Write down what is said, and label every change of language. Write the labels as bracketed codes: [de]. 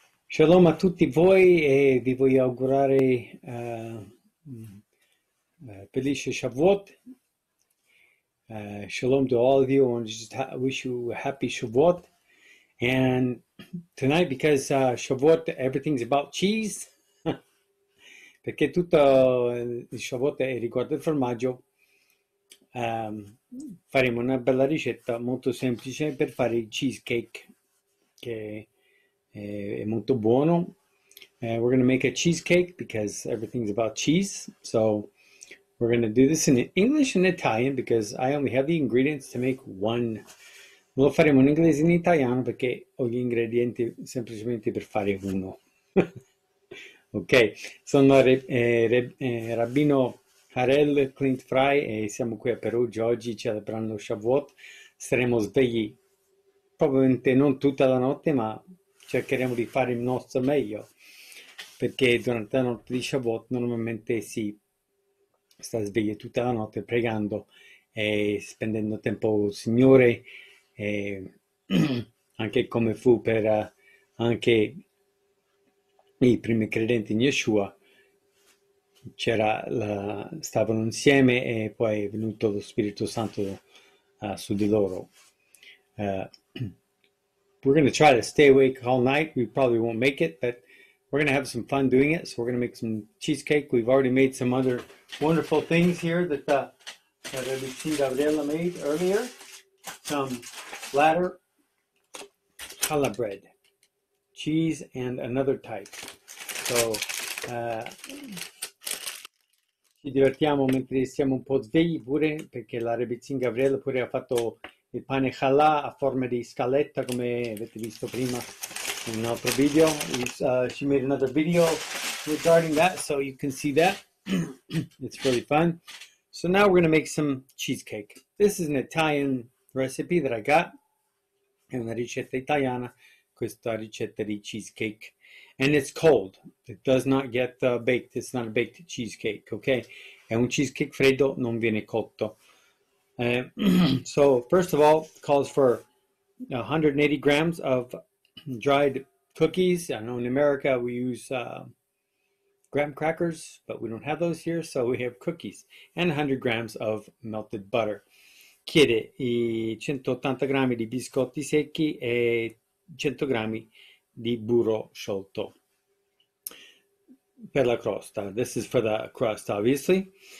[it] Shalom a tutti voi e vi voglio augurare felice Shavuot. [en] Shalom to all of you and just wish you a happy Shavuot. And tonight, because Shavuot, everything's about cheese, [it] perché tutto il Shavuot riguarda il formaggio, faremo una bella ricetta molto semplice per fare il cheesecake. È molto buono. [en] We're going to make a cheesecake because everything's about cheese. So we're going to do this in English and Italian because I only have the ingredients to make one. [it] Lo faremo in inglese e in italiano perché ho gli ingredienti semplicemente per fare uno. Ok, sono Rabbino Harel Klint Frey e siamo qui a Perugia oggi celebrando Shavuot. Saremo svegli probabilmente non tutta la notte, ma cercheremo di fare il nostro meglio, perché durante la notte di Shavuot normalmente si sta svegli tutta la notte pregando e spendendo tempo con il Signore, e anche come fu per anche i primi credenti in Yeshua. Stavano insieme e poi è venuto lo Spirito Santo su di loro. [en] We're going to try to stay awake all night. We probably won't make it, but we're going to have some fun doing it. So we're going to make some cheesecake. We've already made some other wonderful things here that I've seen Gabriella made earlier. Some flatter challah bread, cheese, and another type. [it] So ci divertiamo mentre siamo un po' svegli pure, perché la Rebizin Gabriella pure ha fatto il pane challah a forma di scaletta, come avete visto prima in un altro video. [en] She made another video regarding that, so you can see that. It's really fun. So now we're going to make some cheesecake. This is an Italian recipe that I got. [it] È una ricetta italiana, questa ricetta di cheesecake. [en] And it's cold. It does not get baked. It's not a baked cheesecake, okay? [it] È un cheesecake freddo, non viene cotto. [en] So first of all, calls for 180 grams of dried cookies. I know in America we use graham crackers, but we don't have those here, so we have cookies. And 100 grams of melted butter. [it] Chiede i 180 grammi di biscotti secchi e 100 grammi di burro sciolto per la crosta. [en] This is for the crust, obviously.